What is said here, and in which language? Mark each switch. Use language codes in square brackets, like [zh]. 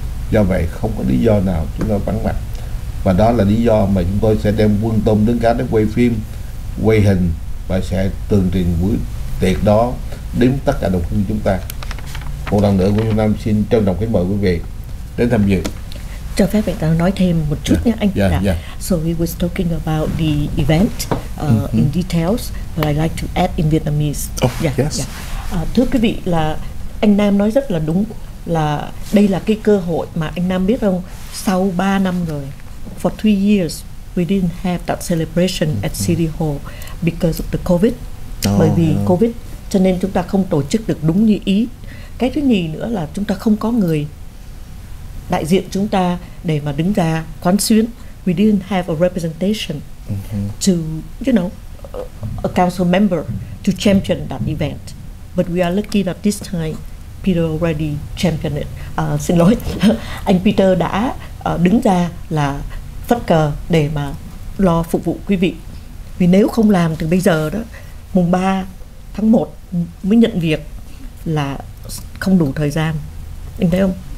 [vi] Do vậy không có lý do nào chúng ta vắng mặt. Và đó là lý do mà chúng tôi sẽ đem quân tôm đứng cá để quay phim, quay hình và sẽ tường trình buổi tiệc đó đến tất cả đồng hương chúng ta. Một lần nữa, quý vị Nam xin trân trọng kính mời quý vị đến tham dự. Cho phép anh ta nói thêm một chút nhé anh. [en] Yeah, yeah. So we were talking about the event in details, but I'd like to add in Vietnamese. Oh, yeah, yes. Yeah. [vi] Thưa quý vị, là anh Nam nói rất là đúng, là đây là cái cơ hội mà anh Nam biết không, sau 3 năm rồi, [en] for 3 years, we didn't have that celebration at City Hall because of the COVID. [vi] COVID, cho nên chúng ta không tổ chức được đúng như ý. Cái thứ nhì nữa là chúng ta không có người đại diện chúng ta để mà đứng ra quán xuyến. [en] We didn't have a representation to, you know, a council member to champion that event. But we are lucky that this time Peter already championed it. [vi] Xin lỗi, anh Peter đã đứng ra là phất cờ để mà lo phục vụ quý vị. Vì nếu không làm từ bây giờ đó, mùng 3 tháng 1 mới nhận việc là không đủ thời gian. Anh thấy không?